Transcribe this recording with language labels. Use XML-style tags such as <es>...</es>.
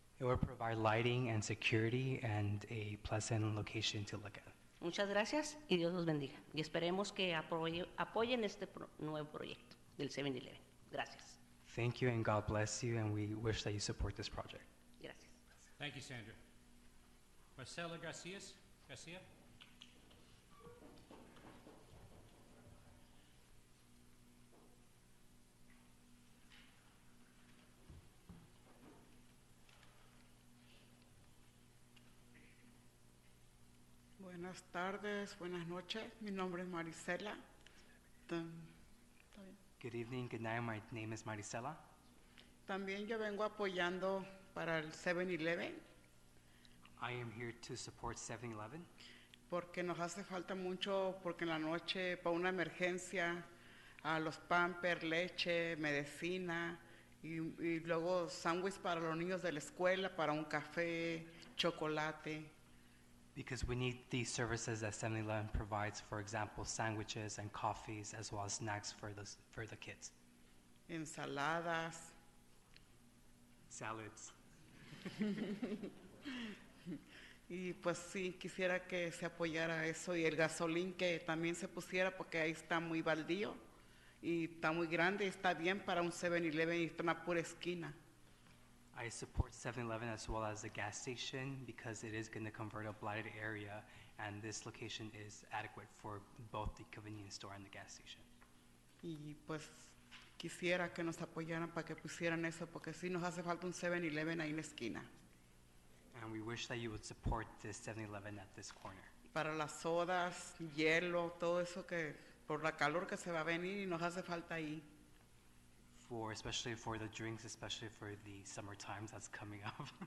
<en>It will provide lighting and security and a pleasant location to look at.</en> <es>Muchas gracias y Dios los bendiga. Y esperemos que apoyen este nuevo proyecto del 7-Eleven. Gracias.</es> <en>Thank you and God bless you, and we wish that you support this project.</en> <es>Gracias.</es> <en>Thank you, Sandra. Marcela Garcias. Garcia?</en> <es>Buenas tardes, buenas noches. Mi nombre es Maricela.</es> <en>Good evening, good night. My name is Maricela.</en> <es>También yo vengo apoyando para el 7-Eleven.</es> <en>I am here to support 7-Eleven.</en> <es>Porque nos hace falta mucho, porque en la noche, para una emergencia, a los Pampers, leche, medicina, y luego sándwich para los niños de la escuela, para un café, chocolate.</es> <en>Because we need these services that 7-Eleven provides, for example, sandwiches and coffees, as well as snacks for the kids.</en> <es>Ensaladas.</es> <en>Salads.</en> <es>Y pues sí, quisiera que se apoyara eso y el gasolín que también se pusiera porque ahí está muy baldío y está muy grande y está bien para un 7-Eleven y está en la pura esquina.</es> <en>I support 7-Eleven as well as the gas station because it is going to convert a blighted area and this location is adequate for both the convenience store and the gas station.</en> <es>Y pues quisiera que nos apoyaran para que pusieran eso porque sí nos hace falta un 7-Eleven ahí en la esquina.</es> <en>And we wish that you would support this 7-Eleven at this corner.</en> <es>Para las sodas, hielo, todo eso que por la calor que se va a venir y nos hace falta ahí.</es> <en>For, especially for the drinks, especially for the summer times that's coming up.</en>